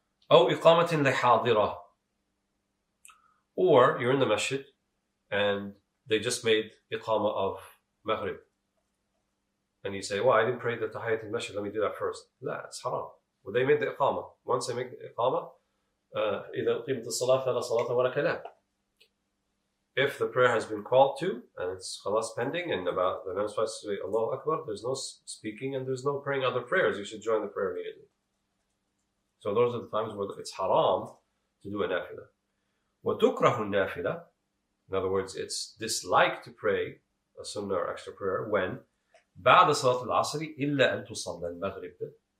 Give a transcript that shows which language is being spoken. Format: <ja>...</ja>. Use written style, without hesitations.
<ar>أو إقامة لحاضرة,</ar> <en>or you're in the masjid, and they just made iqama of Maghrib. And you say, well, I didn't pray the tahiyyat al-masjid, let me do that first. No, it's haram. Well, they made the iqama. Once they make the iqama,</en> <ar>إِذَا قِيمَتِ الصَّلَاةَ فَلَا صَلَاةَ وَلَا كَلَامَ.</ar> <en>If the prayer has been called to, and it's khalas pending, and about the name supposed to say Allahu Akbar, there's no speaking and there's no praying other prayers, you should join the prayer immediately. So those are the times where it's haram to do a nafilah.</en> <ar>وتكره النافلة,</ar> <en>in other words, it's dislike to pray a sunnah or extra prayer when</en> <ar>بعد صلاة العصر إلا أن تصلى المغرب.</ar>